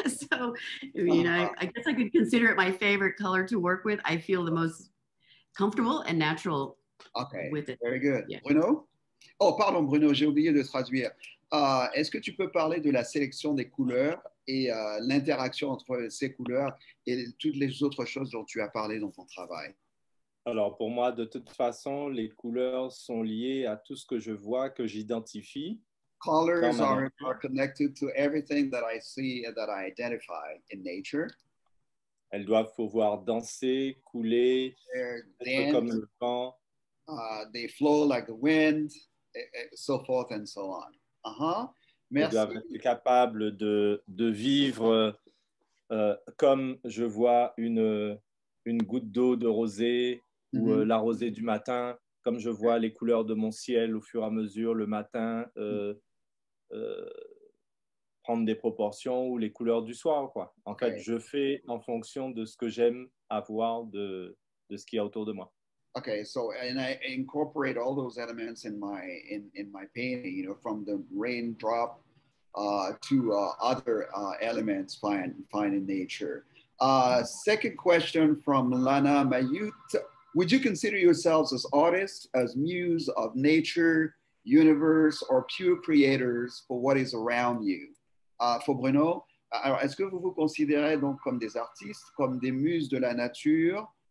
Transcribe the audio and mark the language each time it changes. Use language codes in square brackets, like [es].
[en] So, I mean, I guess I could consider it my favorite color to work with. I feel the most comfortable and natural okay. with it. Very good. Yeah. [fr] Bruno? Oh, pardon, Bruno, j'ai oublié de traduire. Est-ce que tu peux parler de la sélection des couleurs et l'interaction entre ces couleurs et toutes les autres choses dont tu as parlé dans ton travail? Alors, pour moi, de toute façon, les couleurs sont liées à tout ce que je vois, que j'identifie. [en] Colors are connected to everything that I see and that I identify in nature. [fr] Elles doivent pouvoir danser, couler, [en] dance, [fr] comme le vent. [en] They flow like the wind, so forth and so on. [fr] Merci. Ils doivent être capables de vivre comme je vois une goutte d'eau de rosée ou la rosée du matin, comme je vois les couleurs de mon ciel au fur et à mesure le matin prendre des proportions ou les couleurs du soir. Quoi. En fait, je fais en fonction de ce que j'aime avoir de ce qu'il y a autour de moi. [en] Okay, so and I incorporate all those elements in my painting, you know, from the raindrop to other elements find in nature. Second question from Lana Mayut. Would you consider yourselves as artists, as muse of nature, universe, or pure creators for what is around you? [fr] For Bruno, alors, est-ce que vous vous considérez donc comme des artistes, comme des muses de la nature?